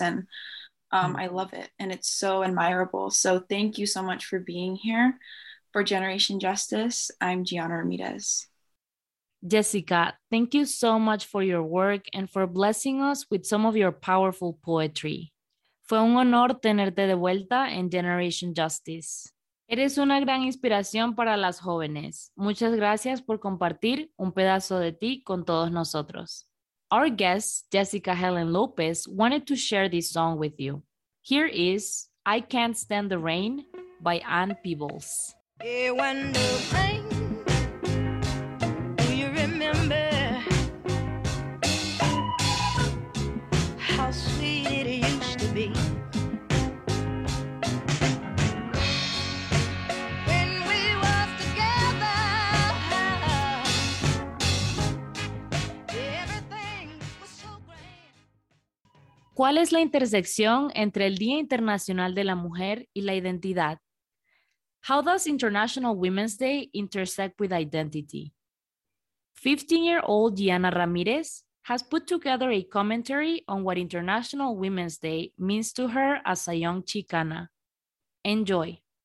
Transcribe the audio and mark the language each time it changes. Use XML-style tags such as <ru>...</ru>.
<en>And I love it. And it's so admirable. So thank you so much for being here. For Generation Justice, I'm Gianna Ramirez. Jessica, thank you so much for your work and for blessing us with some of your powerful poetry.</en> <es>Fue un honor tenerte de vuelta en Generation Justice. Eres una gran inspiración para las jóvenes. Muchas gracias por compartir un pedazo de ti con todos nosotros.</es> <en>Our guest, Jessica Helen Lopez, wanted to share this song with you. Here is I Can't Stand the Rain by Ann Peebles. Hey, when the rain, do you remember how sweet it used to be? When we were together, everything was so grand.</en> <es>¿Cuál es la intersección entre el Día Internacional de la Mujer y la Identidad?</es> <en>How does International Women's Day intersect with identity? 15-year-old Gianna Ramirez has put together a commentary on what International Women's Day means to her as a young Chicana. Enjoy.</en>